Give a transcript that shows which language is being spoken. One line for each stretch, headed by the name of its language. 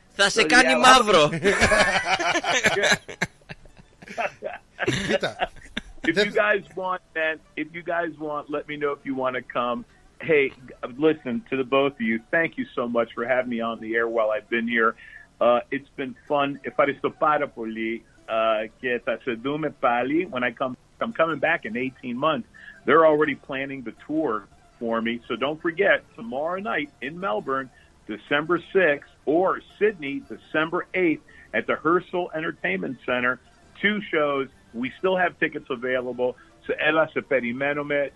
Greek: Θα σε κάνει μαύρο. Κοίτα.
English: If you guys want, man, if you guys want, let me know if you want to come. Hey, listen, to the both of you, thank you so much for having me on the air while I've been here. It's been fun.
Greek: Ευχαριστώ πάρα πολύ και θα σε δούμε πάλι.
English: When I come, I'm coming back in 18 months. They're already planning the tour for me. So don't forget, tomorrow night in Melbourne, December 6th, or Sydney, December 8th, at the Herschel Entertainment Center, two shows. We still have tickets available. So,
Greek: Ella, se perimenome.